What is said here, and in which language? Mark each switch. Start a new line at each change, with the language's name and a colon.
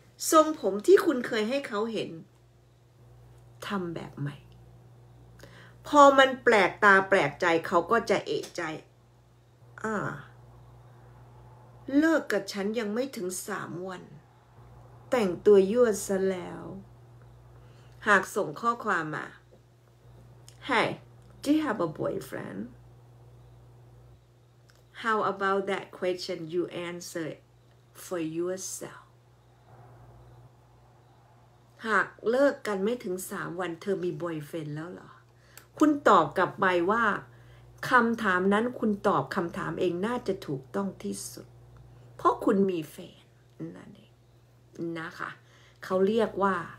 Thai: ทรงผมที่คุณเคยให้เขาเห็นทำแบบใหม่พอมันแปลกตาแปลกใจเขาก็จะเอะใจเลิกกับฉันยังไม่ถึง3วันแต่งตัวยั่วซะแล้วหากส่งข้อความมา
English: Hey, do you have a boyfriend? How about that question you answer for yourself?
Thai: หากเลิกกันไม่ถึง3วันเธอมี boyfriend แล้วเหรอคุณตอบกลับไปว่าคำถามนั้นคุณตอบคำถามเองน่าจะถูกต้องที่สุดเพราะคุณมีแฟนนั่นเองนะคะเขาเรียกว่า